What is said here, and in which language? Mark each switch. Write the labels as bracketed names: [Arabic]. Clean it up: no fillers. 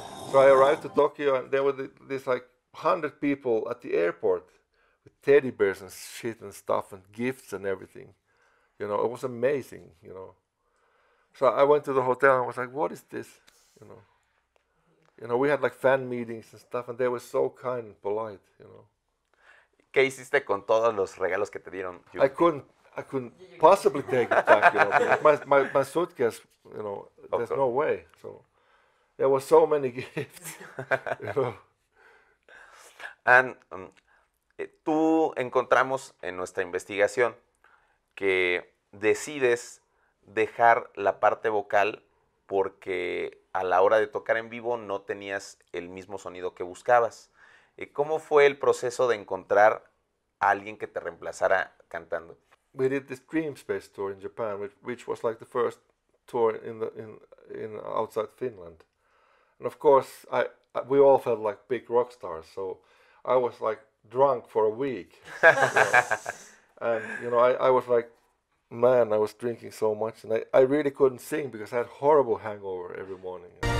[English] So I arrived to Tokyo and there were these like 100 people at the airport with teddy bears and shit and stuff and gifts and everything. You know, it was amazing, you know. So I went to the hotel and I was like, what is this? You know, we had like fan meetings and stuff and they were so kind and polite, you know. [Spanish] ¿Qué hiciste con todos los regalos que te dieron? [English] I couldn't possibly take it back, you know. My suitcase, you know, there's no way. So there were so many gifts, you know. [Spanish] And tú encontramos en nuestra investigación que decides dejar la parte vocal porque a la hora de tocar en vivo no tenías el mismo sonido que buscabas. ¿Cómo fue el proceso de encontrar a alguien que te reemplazara cantando? [English] We did this Dream Space tour in Japan, which was like the first tour in outside Finland. And of course, we all felt like big rock stars, so I was like drunk for a week. And, you know, I was like, man, I was drinking so much, and I really couldn't sing because I had horrible hangover every morning.